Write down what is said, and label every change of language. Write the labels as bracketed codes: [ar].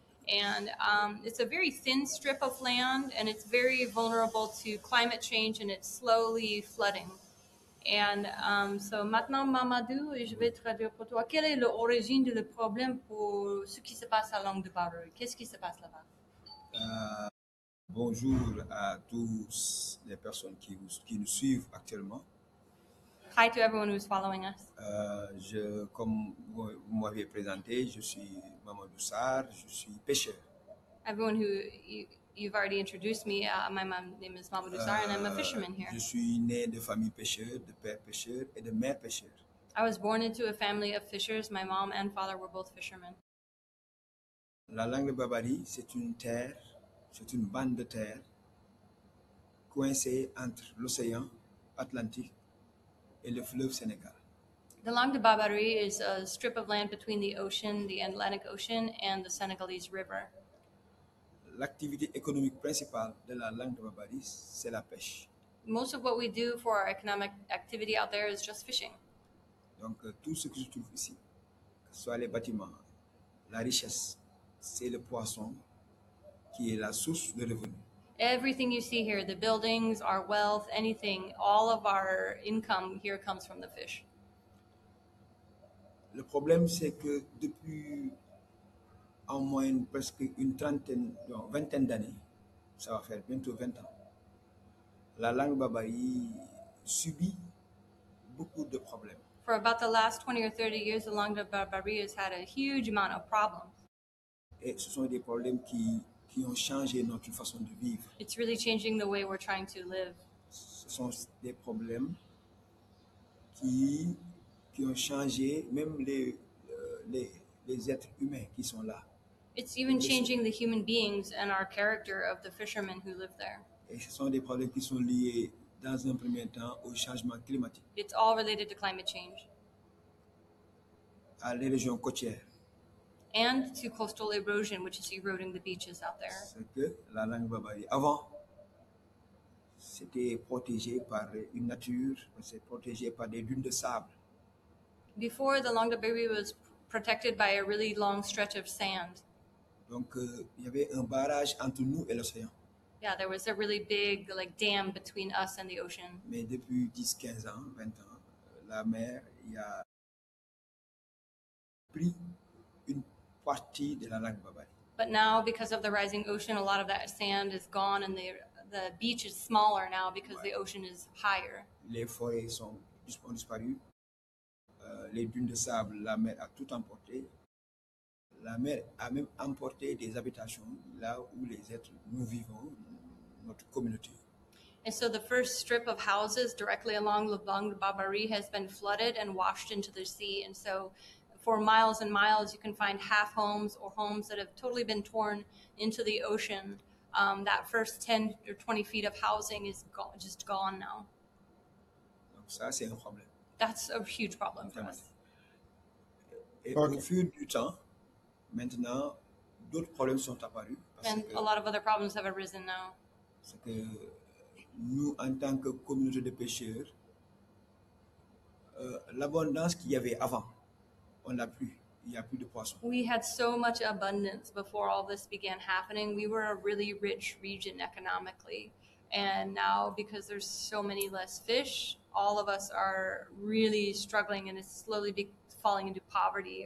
[en] And it's a very thin strip of land, and it's very vulnerable to climate change, and it's slowly flooding. And so [fr] maintenant, Mamadou, je vais traduire pour toi. Quelle est l'origine du problème pour ce qui se passe à Langue de Barbarie? Qu'est-ce qui se passe là-bas? Bonjour à tous les personnes qui nous suivent actuellement. [en] Hi to everyone who's following us. [fr] Comme vous m'avez présenté, je suis Mamadou Sarr, je suis pêcheur. [en] Everyone who you've already introduced me, my name is Mamadou Sarr, and I'm a fisherman here. [fr] Je suis né de famille pêcheur, de père pêcheur et de mère pêcheur. [en] I was born into a family of fishers. My mom and father were both fishermen. [fr] La Langue de Barbarie, c'est une terre, c'est une bande de terre coincée entre l'océan Atlantique et le fleuve Sénégal. [en] The Langue de Barbarie is a strip of land between the ocean, the Atlantic Ocean, and the Senegalese River. [fr] L'activité économique principale de la Langue de Barbarie, c'est la pêche. [en] Most of what we do for our economic activity out there is just fishing. [fr] Donc tout ce que je trouve ici, que ce soit les bâtiments, la richesse, c'est le poisson qui est la source de revenus. [en] Everything you see here, the buildings, our wealth, anything, all of our income here comes from the fish. [fr] Le problème, c'est que depuis en moyenne presque une trentaine, non, vingtaine d'années, ça va faire bientôt 20 ans, la langue babaï subit beaucoup de problèmes. [en] For about the last 20 or 30 years, the langue babaï has had a huge amount of problems. [fr] Et ce sont des problèmes qui ont changé notre façon de vivre. [en] It's really changing the way we're trying to live. [fr] Ce sont des problèmes qui ont changé même les êtres humains qui sont là. [en] It's even changing the human beings and our character of the fishermen who live there. [fr] Et ce sont des problèmes qui sont liés dans un premier temps au changement climatique. [en] It's all related to climate change. [fr] À les régions côtières. [en] And to coastal erosion, which is eroding the beaches out there. [fr] C'est que la langue babaï avant, c'était protégée par une nature, c'est protégée par des dunes de sable. [en] Before, the langue babaï was protected by a really long stretch of sand. [fr] Donc, il y avait un barrage entre nous et l'océan. [en] Yeah, there was a really big like dam between us and the ocean. [fr] Mais depuis 10, 15 ans, 20 ans, la mer y a pris une partie de la langue babaï. [en] But now, because of the rising ocean, a lot of that sand is gone and the beach is smaller now because ouais. The ocean is higher. [fr] Les forêts ont disparu. Les dunes de sable, la mer a tout emporté. La mer a même emporté des habitations là où les êtres nous vivons, notre communauté. [en] And so the first strip of houses directly along the Langue Babaï has been flooded and washed into the sea. And so for miles and miles, you can find half homes or homes that have totally been torn into the ocean. That first 10 or 20 feet of housing is just gone now. [fr] Donc ça, c'est un problème. [en] That's a huge problem for us. [fr] Et okay. Au fur du temps, maintenant, d'autres problèmes sont apparus. Parce [en] and que, a lot of other problems have arisen now. [fr] C'est que nous, en tant que communauté de pêcheurs, l'abondance qu'il y avait avant, on n'a plus. Il n'y a plus de poissons. [en] We had so much abundance before all this began happening. We were a really rich region economically. And now, because there's so many less fish, all of us are really struggling and it's slowly falling into poverty.